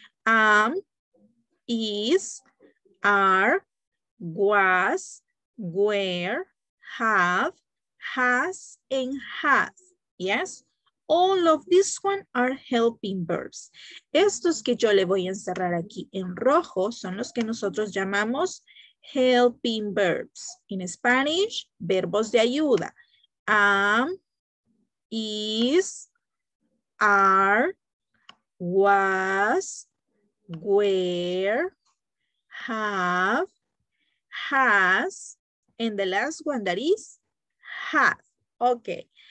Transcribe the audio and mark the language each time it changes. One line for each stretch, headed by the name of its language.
English: Am, is, are, was, were, have, has, and has. Yes? All of this one are helping verbs.
Spanish: Estos que yo le voy a encerrar aquí en rojo son los que nosotros llamamos helping verbs.
English: In Spanish,
Spanish: verbos de ayuda.
English: Am, is, are, was, were, have, has, and the last one that is have. Okay.